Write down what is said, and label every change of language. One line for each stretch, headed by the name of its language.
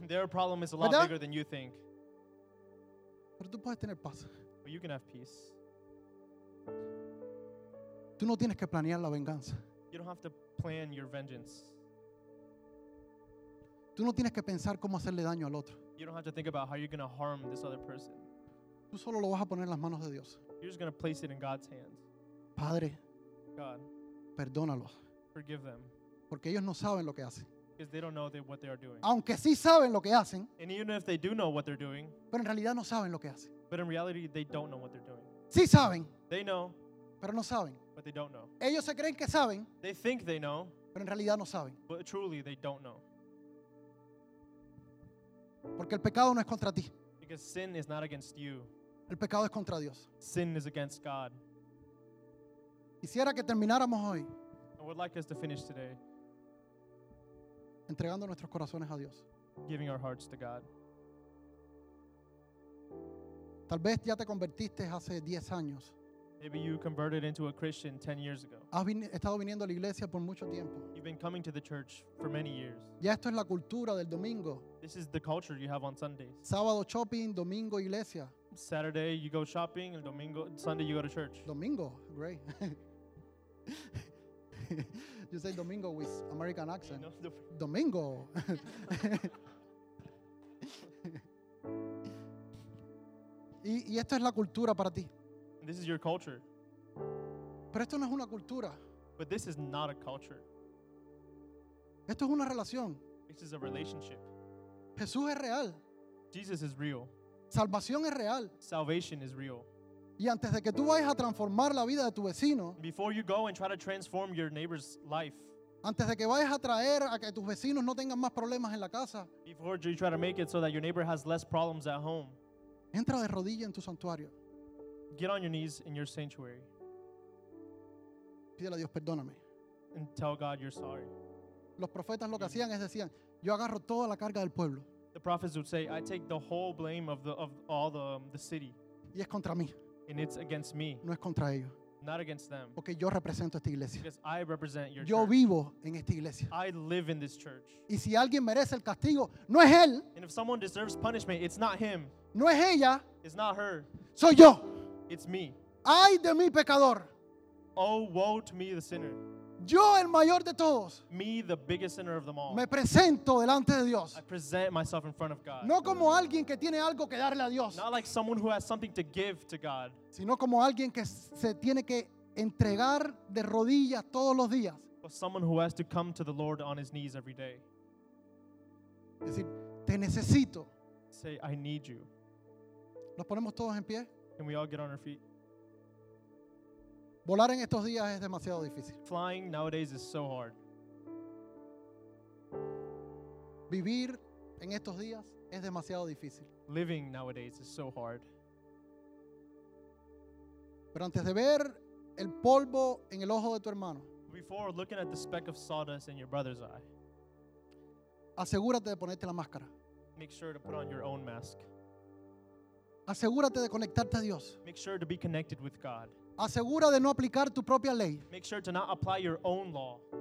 English: Their problem is a lot,
Spanish: ¿verdad?,
English: bigger than you think.
Spanish: Pero tú puedes tener paz.
English: But you can have peace.
Spanish: Tú no tienes que planear la venganza.
English: You don't have to plan your vengeance.
Spanish: Tú no tienes que pensar cómo hacerle daño al otro.
English: You don't have to think about how you're going to harm this other person.
Spanish: Tú solo lo vas a poner en las manos de Dios.
English: You're just going to place it in God's hands.
Spanish: Padre,
English: God,
Spanish: perdónalo.
English: Forgive them.
Spanish: Porque ellos no saben lo que hacen.
English: Because they don't know what they are doing.
Spanish: Aunque sí saben lo que hacen.
English: And even if they do know what they're doing.
Spanish: Pero en realidad no saben lo que hacen.
English: But in reality, they don't know what they're doing.
Spanish: Sí saben.
English: They know.
Spanish: Pero no saben.
English: But they don't know.
Spanish: Ellos se creen que saben.
English: They think they know.
Spanish: Pero en realidad no saben.
English: But truly, they don't know.
Spanish: Porque el pecado no es contra ti.
English: Because sin is not against you.
Spanish: El pecado es contra Dios.
English: Sin is against God.
Spanish: Quisiera que termináramos hoy.
English: I would like us to finish today.
Spanish: Entregando nuestros corazones a Dios.
English: Giving our hearts to God.
Spanish: Tal vez ya te convertiste hace 10 años.
English: Maybe you converted into a Christian 10 years ago.
Spanish: Has estado viniendo a la iglesia por mucho tiempo.
English: You've been coming to the church for many years.
Spanish: Ya esto es la cultura del domingo.
English: This is the culture you have on Sundays.
Spanish: Sábado shopping, domingo iglesia.
English: Saturday you go shopping,
Spanish: el domingo,
English: Sunday you go to church. Domingo, great. You say domingo with American accent. Domingo.
Spanish: Y esto es la cultura para ti.
English: This is your culture.
Spanish: Pero esto no es una cultura.
English: But this is not a culture.
Spanish: Esto es una relación.
English: This is a relationship.
Spanish: Jesús es real.
English: Jesus is real.
Spanish: Salvación es real.
English: Salvation is real.
Spanish: Y antes de que tú vayas a transformar la vida de tu vecino,
English: before you go and try to transform your neighbor's life,
Spanish: antes de que vayas a traer a que tus vecinos no tengan más problemas en la casa,
English: before you try to make it so that your neighbor has less problems at home,
Spanish: entra de rodilla en tu santuario.
English: Get on your knees in your sanctuary.
Spanish: Pídele a Dios, perdóname.
English: And tell God you're sorry.
Spanish: Los profetas lo que hacían es decían, yo agarro toda la carga del pueblo.
English: The prophets would say, I take the whole blame of all the city.
Spanish: Y es contra mí.
English: And it's against me.
Spanish: No es contra ellos.
English: Not against them.
Spanish: Porque yo represento esta iglesia.
English: Because I represent your
Spanish: yo
English: church.
Spanish: Vivo en esta iglesia.
English: I live in this church.
Spanish: Y si alguien merece el castigo, no es él.
English: And if someone deserves punishment, it's not him.
Spanish: No es ella.
English: It's not her.
Spanish: Soy yo.
English: It's me.
Spanish: Ay de mi pecador.
English: Oh, woe to me, the sinner.
Spanish: Yo, el mayor de todos.
English: Me, the biggest sinner of them all.
Spanish: Me presento delante de Dios.
English: I present myself in front of God.
Spanish: No como alguien que tiene algo que darle a Dios.
English: Not like someone who has something to give to God.
Spanish: Sino como alguien que se tiene que entregar de rodillas todos los días.
English: But someone who has to come to the Lord on his knees every day.
Spanish: Es decir, te necesito.
English: Say, I need you.
Spanish: ¿Nos ponemos todos en pie?
English: Can we all get on our feet?
Spanish: Volar en estos días es demasiado difícil.
English: Flying nowadays is so hard.
Spanish: Vivir en estos días es demasiado difícil.
English: Living nowadays is so hard.
Spanish: Pero antes de ver el polvo en el ojo de tu hermano,
English: before looking at the speck of sawdust in your brother's eye,
Spanish: asegúrate de ponerte la máscara.
English: Make sure to put on your own mask.
Spanish: Asegúrate de conectarte a Dios.
English: Make sure to be connected with God.
Spanish: Asegura de no aplicar tu propia ley.
English: Make sure to not apply your own law.